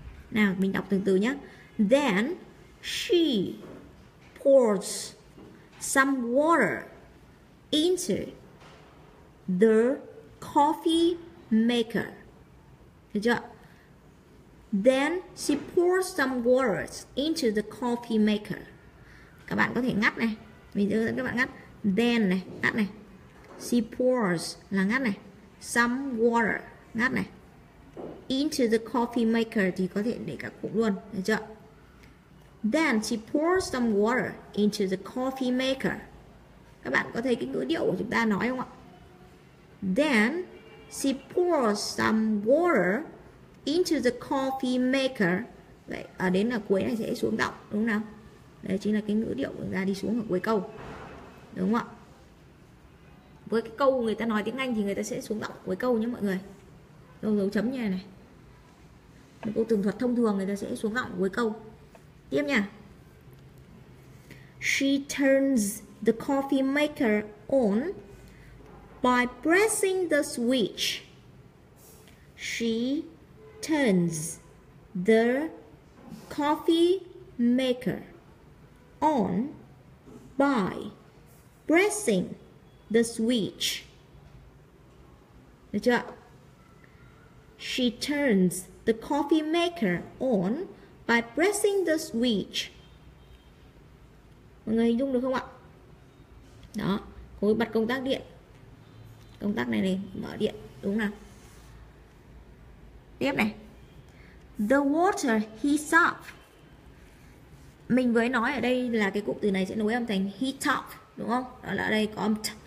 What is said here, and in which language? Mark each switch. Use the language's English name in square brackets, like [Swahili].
[Vietnamese] Nào mình đọc từng từ nhé. [English] Then she pours some water into the coffee maker. [Vietnamese] Được chưa? [English] Then she pours some water into the coffee maker. [Vietnamese] Các bạn có thể ngắt này. Mình hướng dẫn các bạn ngắt. Then này, ngắt này. She pours là ngắt này. [English] Some water, [Vietnamese] ngắt này. [English] Into the coffee maker [Vietnamese] thì có thể để cả cụm luôn, được chưa? [English] Then she pours some water into the coffee maker. [Vietnamese] Các bạn có thấy cái ngữ điệu của chúng ta nói không ạ? [English] Then she pours some water into the coffee maker. [Vietnamese] Vậy ở đến là cuối này sẽ xuống giọng đúng không nào? Đây chính là cái ngữ điệu của ra đi xuống ở cuối câu. Đúng không ạ? Với cái câu người ta nói tiếng Anh thì người ta sẽ xuống giọng cuối câu nhé mọi người. Câu dấu chấm như này. Một câu tường thuật thông thường người ta sẽ xuống giọng cuối câu. Tiếp nha. [English] She turns the coffee maker on by pressing the switch. She turns the coffee maker on by pressing the switch. [Vietnamese] Được chưa? [English] She turns the coffee maker on by pressing the switch. [Vietnamese] Mọi người hình dung được không ạ? Đó, cô ấy bật công tắc điện. Công tắc này này, mở điện, đúng không nào? Tiếp này. [English] The water heats up. [Vietnamese] Mình vừa nói ở đây là cái cụm từ này sẽ nối âm thành heat up, đúng không? Đó là ở đây có âm t.